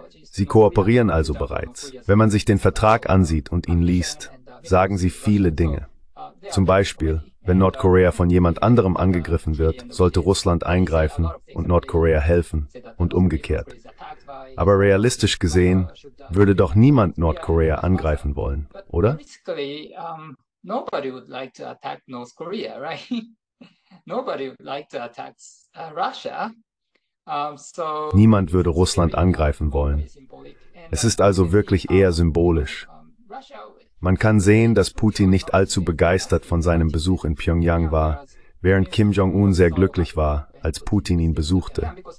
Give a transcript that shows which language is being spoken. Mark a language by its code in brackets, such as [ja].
[de] Sie kooperieren also bereits. Wenn man sich den Vertrag ansieht und ihn liest, sagen sie viele Dinge. Zum Beispiel, wenn Nordkorea von jemand anderem angegriffen wird, sollte Russland eingreifen und Nordkorea helfen und umgekehrt. Aber realistisch gesehen würde doch niemand Nordkorea angreifen wollen, oder? [en] Nobody would like to attack North Korea, right? Nobody would like to attack Russia. [de] Niemand würde Russland angreifen wollen. Es ist also wirklich eher symbolisch. Man kann sehen, dass Putin nicht allzu begeistert von seinem Besuch in Pyongyang war, während Kim Jong-un sehr glücklich war, als Putin ihn besuchte.